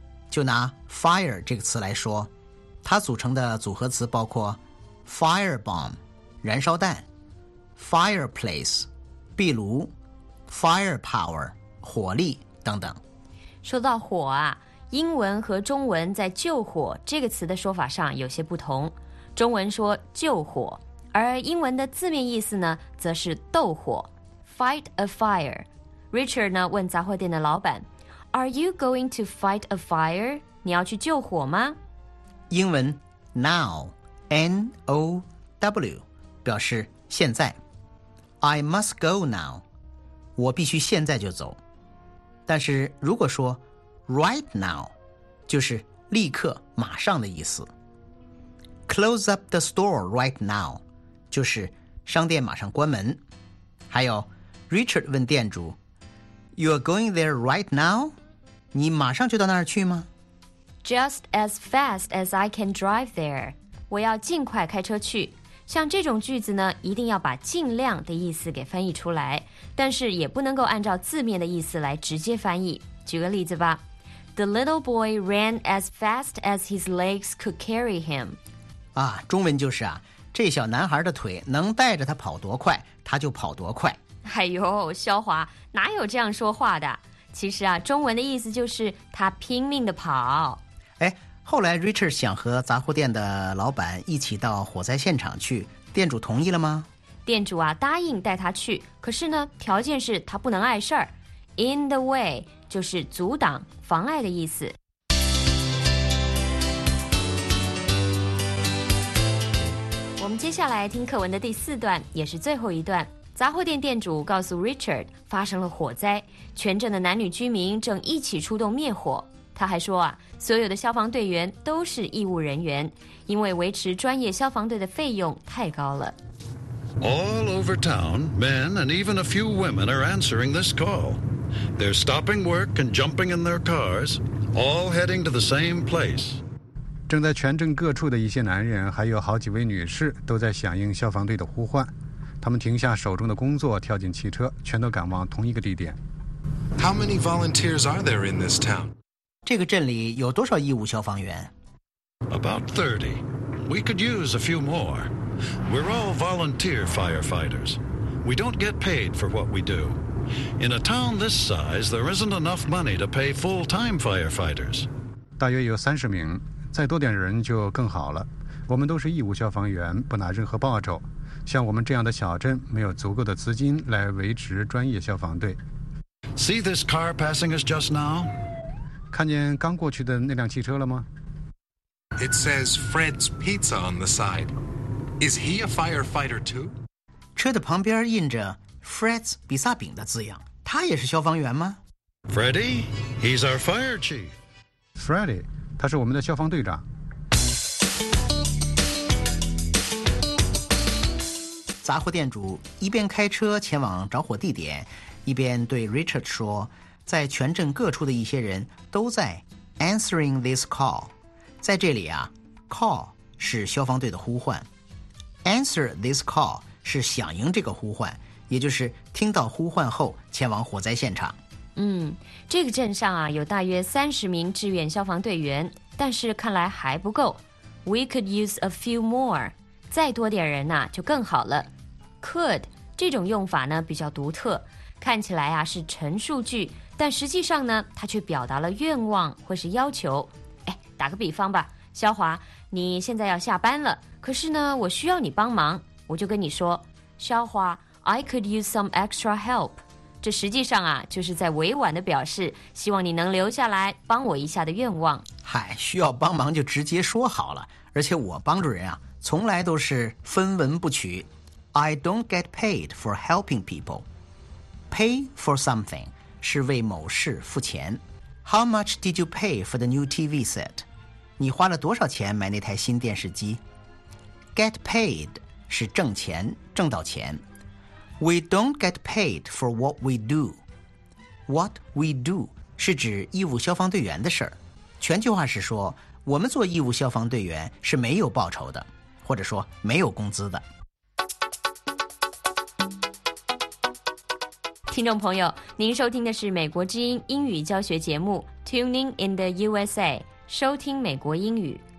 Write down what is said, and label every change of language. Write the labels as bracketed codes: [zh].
[zh] 就拿 fire 这个词来说，它组成的组合词包括 firebomb 燃烧弹、 fireplace 壁炉、 firepower 火力等等。说到火啊，英文和中文在救火这个词的说法上有些不同，中文说救火，而英文的字面意思呢，则是斗火 [en] fight a fire。 Richard 呢 [zh] 问杂货店的老板， [en] Are you going to fight a fire? [zh] 你要去救火吗？英文 now N-O-W 表示现在， [en] I must go now， [zh] 我必须现在就走。但是如果说 right now， 就是立刻马上的意思。 [en] close up the store right now [zh] 就是商店马上关门。 [en] 还有 Richard [zh] 问店主， [en] You're going there right now？ [zh] 你马上就到那儿去吗？ [en] Just as fast as I can drive there， [zh] 我要尽快开车去。像这种句子呢，一定要把尽量的意思给翻译出来，但是也不能够按照字面的意思来直接翻译。举个例子吧， [en] The little boy ran as fast as his legs could carry him。 [zh] 啊，中文就是啊，这小男孩的腿能带着他跑多快他就跑多快。哎呦，肖华哪有这样说话的，其实啊，中文的意思就是他拼命的跑。哎，后来 Richard 想和杂货店的老板一起到火灾现场去，店主同意了吗？店主啊，答应带他去，可是呢，条件是他不能碍事儿。 [en] In the way [zh] 就是阻挡妨碍的意思。我们接下来听课文的第四段，也是最后一段。杂货店店主告诉 Richard 发生了火灾，全镇的男女居民正一起出动灭火。他还说啊，所有的消防队员都是义务人员，因为维持专业消防队的费用太高了。 [en] All over town, men and even a few women are answering this call. They're stopping work and jumping in their cars, all heading to the same place. [zh] 正在全镇各处的一些男人还有好几位女士都在响应消防队的呼唤，他们停下手中的工作，跳进汽车，全都赶往同一个地点。 [en] How many volunteers are there in this town? [zh] 这个镇里有多少义务消防员？ [en] About 30. We could use a few more. We're all volunteer firefighters. We don't get paid for what we do. In a town this size, there isn't enough money to pay full-time firefighters. [zh] 大约有30名，再多点人就更好了。我们都是义务消防员，不拿任何报酬。像我们这样的小镇，没有足够的资金来维持专业消防队。 [en] See this car passing us just now? [zh] 看见刚过去的那辆汽车了吗？ [en] It says Fred's Pizza on the side. Is he a firefighter too? [zh] 车的旁边印着 Fred's 比萨饼的字样，他也是消防员吗？ [en] Freddy, he's our fire chief. [zh] Freddy, 他是我们的消防队长。杂货店主一边开车前往着火地点，一边对 Richard 说，在全镇各处的一些人都在 [en] answering this call。 [zh] 在这里啊， call 是消防队的呼唤， [en] answer this call [zh] 是响应这个呼唤，也就是听到呼唤后前往火灾现场。嗯，这个镇上啊有大约30名志愿消防队员，但是看来还不够。 [en] We could use a few more， [zh] 再多点人啊就更好了。 could 这种用法呢比较独特，看起来啊是陈述句，但实际上呢它却表达了愿望或是要求。哎，打个比方吧，肖华，你现在要下班了，可是呢我需要你帮忙，我就跟你说，肖华， [en] I could use some extra help。 [zh] 这实际上啊就是在委婉的表示希望你能留下来帮我一下的愿望。嗨，需要帮忙就直接说好了，而且我帮助人啊从来都是分文不取。 [en] I don't get paid for helping people. Pay for something [zh] 是为某事付钱。 [en] How much did you pay for the new TV set? [zh] 你花了多少钱买那台新电视机？ [en] Get paid 是挣钱， [zh] 挣到钱。 [en] We don't get paid for what we do. What we do [zh] 是指义务消防队员的事儿。全句话是说，我们做义务消防队员是没有报酬的，或者说没有工资的。听众朋友，您收听的是美国之音英语教学节目 Tuning in the USA， 收听美国英语。